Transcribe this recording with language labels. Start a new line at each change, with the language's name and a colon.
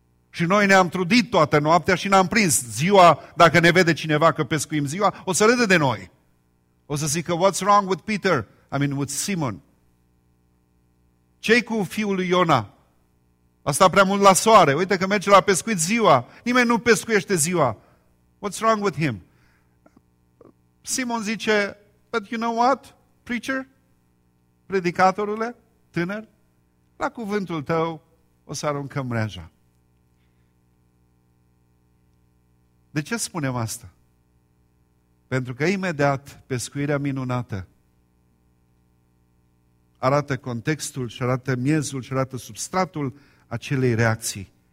Romanian: Și noi ne-am trudit toată noaptea și n-am prins ziua, dacă ne vede cineva că pescuim ziua, o să râde de noi. O să zică,
English: what's wrong with Peter? I mean, with Simon.
Romanian: Ce-i cu fiul lui Iona? A stat prea mult la soare. Uite că merge la pescuit ziua. Nimeni nu pescuiește ziua.
English: What's wrong with him?
Romanian: Simon zice,
English: but you know what, preacher?
Romanian: Predicatorule, tânăr, la cuvântul tău o să aruncăm mreaja. De ce spunem asta? Pentru că imediat pescuirea minunată arată contextul și arată miezul și arată substratul acelei reacții.